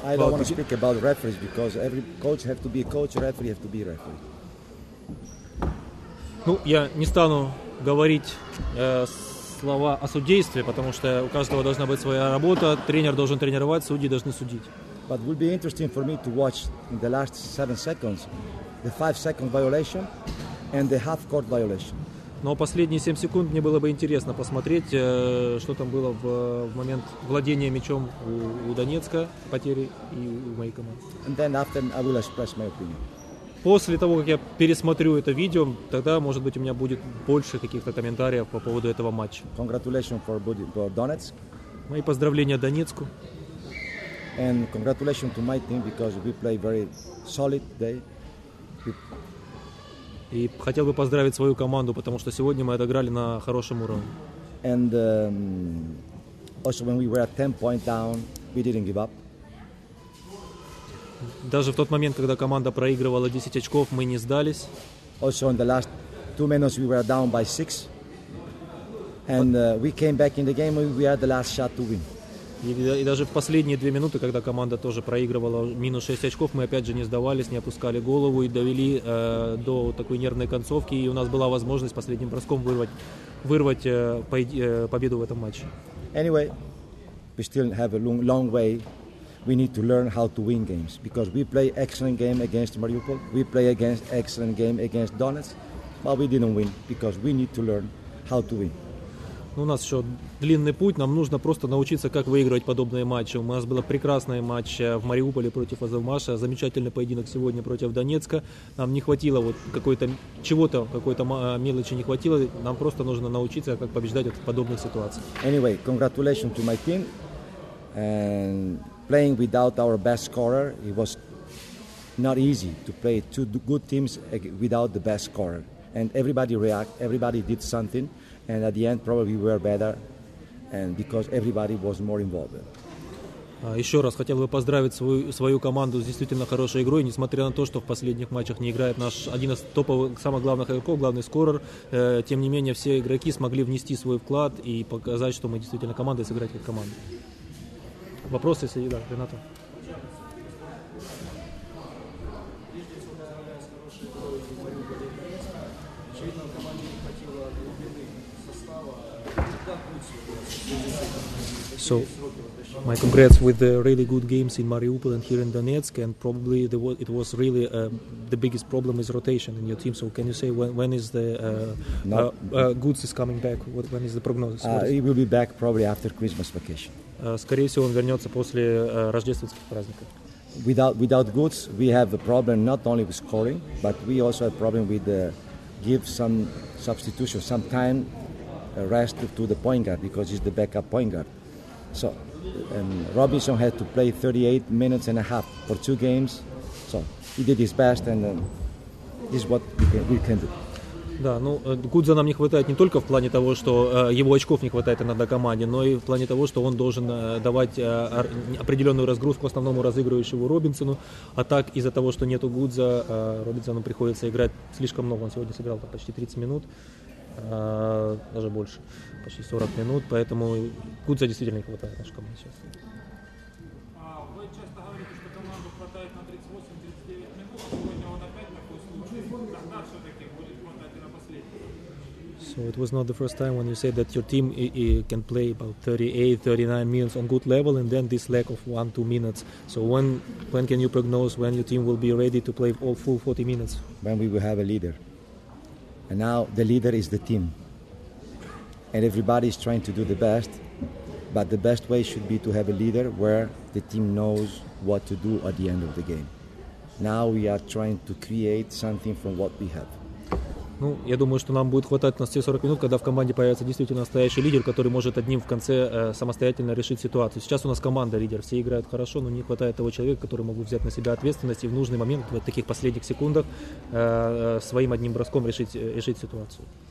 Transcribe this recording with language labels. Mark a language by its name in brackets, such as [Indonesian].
[English] I don't want to speak about referees because every coach have to be a coach, referee have to be referee. [Russian] Ну, я не стану говорить слова о судействе, потому что у каждого должна быть своя работа, тренер должен тренировать, судьи должны судить. [English] But would be interesting for me to watch in the last 7 seconds the 5 second violation and the half court violation. [Russian] Но последние 7 секунд мне было бы интересно посмотреть, что там было в момент владения мячом у Донецка, потери и у моей команды. [English] And then after I will express my opinion. [Russian] После того, как я пересмотрю это видео, тогда, может быть, у меня будет больше каких-то комментариев по поводу этого матча. [English] Congratulations for Donetsk. [Russian] Мои поздравления Донецку. [English] And congratulations to my team because we play very solid day. [Russian] И хотел бы поздравить свою команду, потому что сегодня мы отыграли на хорошем уровне. [English] And also when we were at 10 point down, we didn't give up. [Russian] Даже в тот момент, когда команда проигрывала 10 очков, мы не сдались. [English] Also in the last 2 minutes we were down by 6. And we came back in the game and we had the last shot to win. [Russian] И даже в последние 2 минуты, когда команда тоже проигрывала минус 6 очков, мы опять же не сдавались, не опускали голову и довели до такой нервной концовки. И у нас была возможность последним броском вырвать победу в этом матче. [English] Anyway, we still have a long way. We need to learn how to win games. Because we play excellent game against Mariupol. We play against excellent game against Donetsk. But we didn't win because we need to learn how to win. [Russian] У нас еще длинный путь, нам нужно просто научиться, как выигрывать подобные матчи. У нас был прекрасный матч в Мариуполе против Азовмаша, замечательный поединок сегодня против Донецка. Нам не хватило вот какой-то чего-то, какой-то мелочи не хватило. Нам просто нужно научиться, как побеждать в подобных ситуациях. [English] Anyway, congratulations to my team. And playing without our best scorer, it was not easy to play two good teams without the best scorer. And everybody react, everybody did something. And at the end, probably we were better, and because everybody was more involved. [Russian] Еще раз хотел бы поздравить свою команду с действительно хорошей игрой, несмотря на то, что в последних матчах не играет наш один из топовых, самых главных игроков, главный скорер. Тем не менее, все игроки смогли внести свой вклад и показать, что мы действительно команда и сыграть как команда. Вопросы, если да, Ренато? [English] So, my congrats with the really good games in Mariupol and here in Donetsk, and probably it was really the biggest problem is rotation in your team. So, can you say when is the Goods is coming back? When is the prognosis? He will be back probably after Christmas vacation. [Russian] Скорее всего, он вернется после рождественских праздников. [English] Without Goods, we have a problem not only with scoring, but we also have a problem with give some substitution, some time rest to the point guard because he's the backup point guard. So, and Robinson had to play 38 minutes and a half for 2 games. So, he did his best, and this is what we can do. [Russian] Да, ну, Гудза нам не хватает не только в плане того, что его очков не хватает иногда команде, но и в плане того, что он должен давать определенную разгрузку основному разыгрывающему Робинсону. А так, из-за того, что нету Гудза, Робинсону приходится играть слишком много. Он сегодня сыграл почти 30 минут. Даже больше, почти 40 минут, поэтому Гудза действительно не хватает нашей команде сейчас. Вы часто говорите, что команду хватает на 38-39 минут, сегодня он опять такой случай, тогда все-таки будет хватать и на последний. [English] So it was not the first time when you said that your team can play about 38-39 minutes on good level and then this lack of 1-2 minutes. So when can you prognose when your team will be ready to play all full 40 minutes? When we will have a leader. And now the leader is the team. And everybody is trying to do the best. But the best way should be to have a leader where the team knows what to do at the end of the game. Now we are trying to create something from what we have. [Russian] Ну, я думаю, что нам будет хватать на все 40 минут, когда в команде появится действительно настоящий лидер, который может одним в конце самостоятельно решить ситуацию. Сейчас у нас команда лидер, все играют хорошо, но не хватает того человека, который мог бы взять на себя ответственность и в нужный момент, в таких последних секундах, своим одним броском решить ситуацию.